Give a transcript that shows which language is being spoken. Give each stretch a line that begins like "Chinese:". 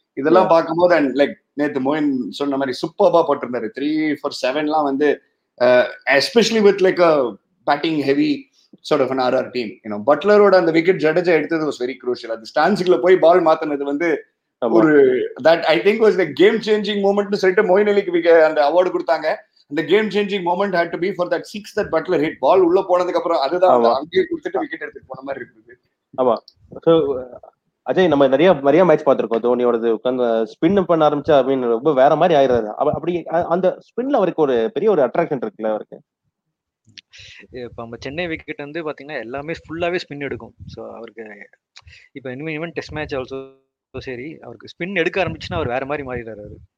Tamil: இதெல்லாம் பார்க்கும் போது அண்ட் லைக் நேத்து மோயின் சொன்ன மாதிரி சூப்பர்பா போட்டிருந்தாரு 3-4-7 வந்து
English: Especially with like a batting heavy sort of RR team.
Tamil: You know பட்லரோட அந்த விக்கெட் ஜடேஜா எடுத்தது
English: Was very crucial.
Tamil: அந்த ஸ்டான்ஸுக்குள்ள போய் பால் மாத்தினது வந்து ஒரு
English: that I think was the game changing மூமெண்ட்னு
Tamil: சொல்லிட்டு மோயின் அலிக்கு அந்த அவார்டு கொடுத்தாங்க.
English: The game-changing moment had to be for that six that Butler hit.
Tamil: Ball உள்ள போனதுக்கு அப்புறம் அதுதான் அந்த அங்கேயே குடுத்துட்டு விக்கெட் எடுத்து போன மாதிரி இருக்குது. ஆமா. சோ அஜய் நம்ம நிறைய மேட்ச் பாத்துறோம் தோனியோட உட்கார்ந்து ஸ்பின் பண்ண ஆரம்பிச்சா
English: I mean
Tamil: ரொம்ப வேற மாதிரி ஆயிடுறாரு. அப்படி அந்த ஸ்பின்ல அவருக்கு ஒரு பெரிய ஒரு அட்ராக்ஷன் இருக்குல்ல அவருக்கு. இப்ப நம்ம சென்னை விக்கெட் வந்து பாத்தீங்கன்னா எல்லாமே ஃபுல்லாவே ஸ்பின் எடுக்கும். சோ அவருக்கு இப்ப இனிமேல் டெஸ்ட் மேட்ச் ஆல்சோ சரி அவருக்கு ஸ்பின் எடுக்க ஆரம்பிச்சுன்னா அவர் வேற மாதிரி மாறிடுறாரு.